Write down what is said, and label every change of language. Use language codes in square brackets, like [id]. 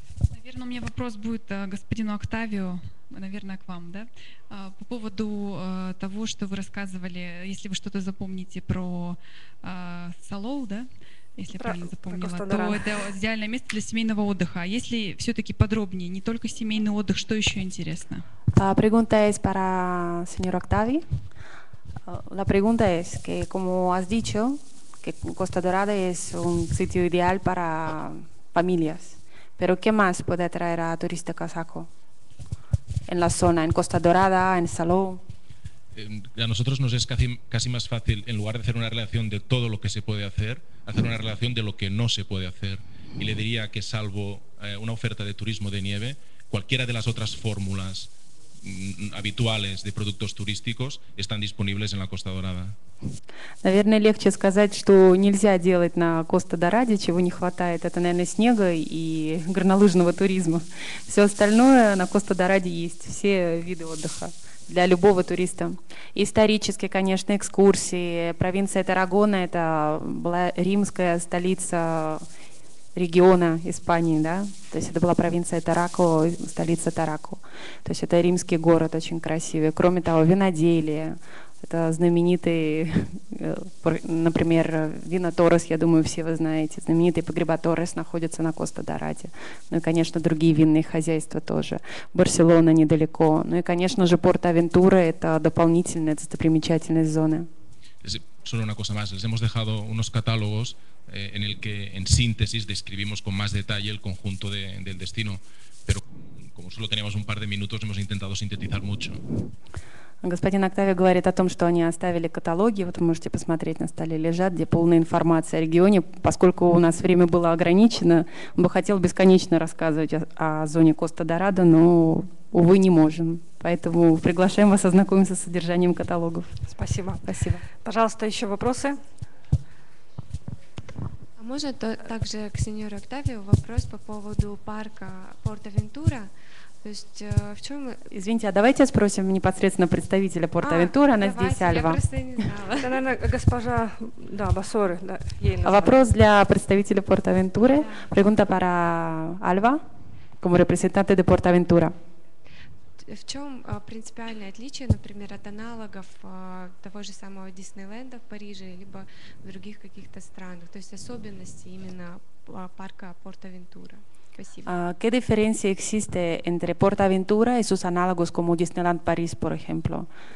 [ru] Наверное, у меня вопрос будет господину Октавио, наверное, к вам, да? По поводу того, что вы рассказывали, если вы что-то запомните про Салоу, да? Если я правильно запомнила, то это идеальное место для семейного отдыха. А если все-таки подробнее, не только семейный отдых, что еще интересно? [es] Pregunta es para señor Octavio. La pregunta es que, como has dicho, que Costa Dorada es un sitio ideal para familias. Pero ¿qué más puede atraer a turista kazajo en la zona, en Costa Dorada, en Salou? A nosotros nos es casi más fácil, en lugar de hacer una relación de todo lo que se puede hacer, hacer una relación de lo que no se puede hacer. Y le diría que salvo una oferta de turismo de nieve, cualquiera de las otras fórmulas habituales de productos turísticos están disponibles en la Costa Dorada. [ru] Наверное, легче сказать, что нельзя делать на Коста Дораде, чего не хватает. Это, наверное, снега и горнолыжного туризма. Все остальное на Коста Дораде есть. Все виды отдыха для любого туриста. Исторические, конечно, экскурсии. Провинция Тарагона – это была римская столица региона Испании, да? То есть это была провинция Тараку, столица Тараку. То есть это римский город очень красивый. Кроме того, виноделие. Это знаменитый, например, вино Торрес, я думаю, все вы знаете. Знаменитый погреба Торрес находится на Коста-Дораде. Ну и, конечно, другие винные хозяйства тоже. Барселона недалеко. Ну и, конечно же, Порт-Авентура – это дополнительная достопримечательность зоны. [es] solo una cosa más. Les hemos dejado unos catálogos en el que, en síntesis, describimos con más detalle el conjunto del destino. Pero como solo tenemos un par de minutos, hemos intentado sintetizar mucho. [ru] Господин Октавио говорит о том, что они оставили каталоги, вот вы можете посмотреть, на столе лежат, где полная информация о регионе. Поскольку у нас время было ограничено, он бы хотел бесконечно рассказывать о зоне Коста-Дорадо, но, увы, не можем. Поэтому приглашаем вас ознакомиться с содержанием каталогов. Спасибо. Спасибо. Пожалуйста, еще вопросы? А можно также к сеньору Октавио вопрос по поводу парка Порт-Авентура? То есть, в чем... Извините, а давайте спросим непосредственно представителя Порт-Авентура, она давайте, здесь, Альва. Это, наверное, госпожа, да, Басоры. Да, ей вопрос для представителя Порт-Авентуры. [es] Pregunta para Alba, como representante de Порт-Авентура. [ru] В чем принципиальное отличие, например, от аналогов того же самого Диснейленда в Париже либо в других каких-то странах? То есть особенности именно парка Порт-Авентура. [es] ¿Qué diferencia existe entre PortAventura y sus análogos como Disneyland París, por ejemplo?